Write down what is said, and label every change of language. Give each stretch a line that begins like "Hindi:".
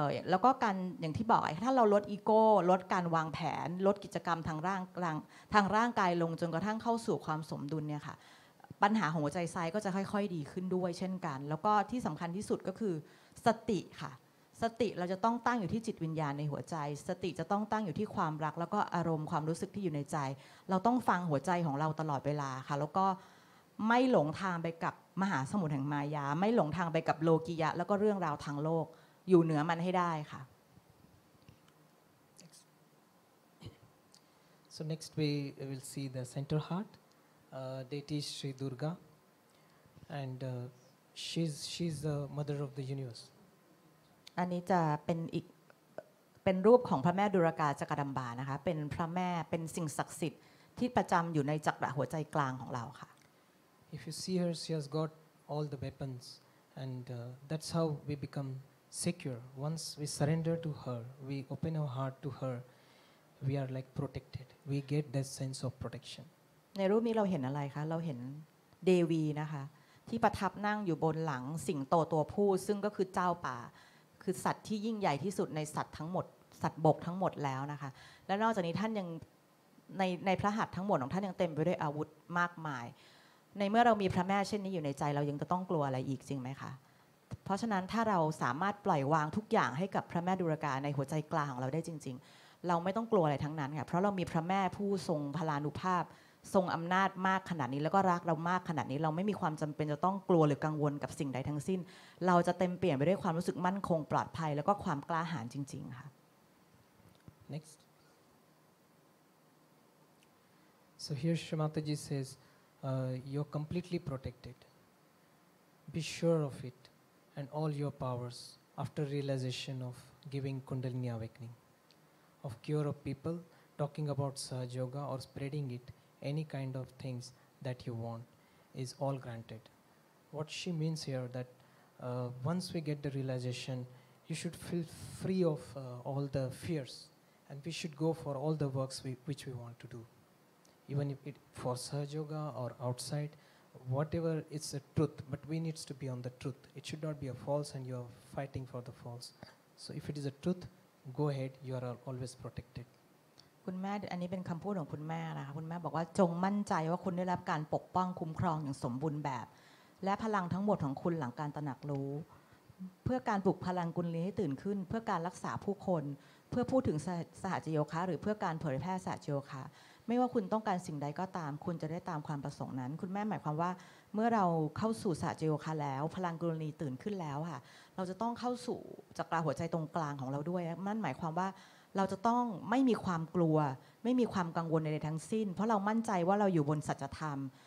Thai: แล้วก็การอย่างที่บอกถ้าเราลดอีโก้ลดการวางแผนลดกิจกรรมทางร่างกายลงจนกระทั่งเข้าสู่ความสมดุลเนี่ยค่ะปัญหาของหัวใจไซก็จะค่อยๆดีขึ้นด้วยเช่นกันแล้วก็ที่สำคัญที่สุดก็คือสติค่ะสติเราจะต้องตั้งอยู่ที่จิตวิญญาณในหัวใจสติจะต้องตั้งอยู่ที่ความรักแล้วก็อารมณ์ความรู้สึกที่อยู่ในใจ เราต้องฟังหัวใจของเราตลอดเวลาค่ะแล้วก็ไม่หลงทางไปกับมหาสมุทรแห่งมายาไม่หลงทางไปกับโลกียะแล้วก็เรื่องราวทางโลกอยู่เหนือมันให้ได้ค่ะ
English: So next we will see the center heart deity is Sri Durga and she's the mother of the universe
Thai: อันนี้จะเป็นอีกเป็นรูปของพระแม่ดุรกาจักรดัมบานะคะเป็นพระแม่เป็นสิ่งศักดิ์สิทธิ์ที่ประจำอยู่ในจักระหัวใจกลางของเราค่ะ
English: If you see her she has got all the weapons and that's how we become secure once we surrender to her we open our heart to her we are like protected we get that sense of protection
Thai: ในรูปนี้เราเห็นอะไรคะเราเห็นเดวีนะคะที่ประทับนั่งอยู่บนหลังสิงโตตัวผู้ซึ่งก็คือเจ้าป่าคือสัตว์ที่ยิ่งใหญ่ที่สุดในสัตว์ทั้งหมดสัตว์บกทั้งหมดแล้วนะคะและนอกจากนี้ท่านยังในพระหัตถ์ทั้งหมดของท่านยังเต็มไปด้วยอาวุธมากมายในเมื่อเรามีพระแม่เช่นนี้อยู่ในใจเรายังจะต้องกลัวอะไรอีกจริงไหมคะ เพราะฉะนั้นถ้าเราสามารถปล่อยวางทุกอย่างให้กับพระแม่ดุรกาในหัวใจกลางของเราได้จริงๆเราไม่ต้องกลัวอะไรทั้งนั้นค่ะเพราะเรามีพระแม่ผู้ทรงพลานุภาพทรงอำนาจมากขนาดนี้แล้วก็รักเรามากขนาดนี้เราไม่มีความจำเป็นจะต้องกลัวหรือกังวลกับสิ่งใดทั้งสิ้นเราจะเต็มเปี่ยมไปด้วยความรู้สึกมั่นคงปลอดภัยแล้วก็ความกล้าหาญจริงๆค่ะ
English: Next So here Shrimataji says you're completely protected be sure of itAnd all your powers after realization of giving Kundalini awakening, of cure of people, talking about Sahaja Yoga or spreading it, any kind of things that you want is all granted. What she means here that once we get the realization, you should feel free of all the fears and we should go for all the works which we want to do. Even if it for Sahaja Yoga or outside,Whatever is the truth, but we need to be on the truth. It should not be a false and you are fighting for the false. So if it is a truth, go ahead. You are always protected.
Thai: คุณแม่อันนี้เป็นคำพูดของคุณแม่นะคะคุณแม่บอกว่าจงมั่นใจว่าคุณได้รับการปกป้องคุ้มครองอย่างสมบูรณ์แบบและพลังทั้งหมดของคุณหลังการตระหนักรู้ เพื่อการปลุกพลังกุลีให้ตื่นขึ้นเพื่อการรักษาผู้คนเพื่อพูดถึงสหจโยคะหรือเพื่อการเผยแพร่สหจโยคะไม่ว่าคุณต้องการสิ่งใดก็ตามคุณจะได้ตามความประสงค์นั้นคุณแม่หมายความว่าเมื่อเราเข้าสู่สหจโยคะแล้วพลังกุลีตื่นขึ้นแล้วค่ะเราจะต้องเข้าสู่จักรหัวใจตรงกลางของเราด้วยนั่นหมายความว่าเราจะต้องไม่มีความกลัวไม่มีความกังวลใดๆทั้งสิ้นเพราะเรามั่นใจว่าเราอยู่บนสัจธรรม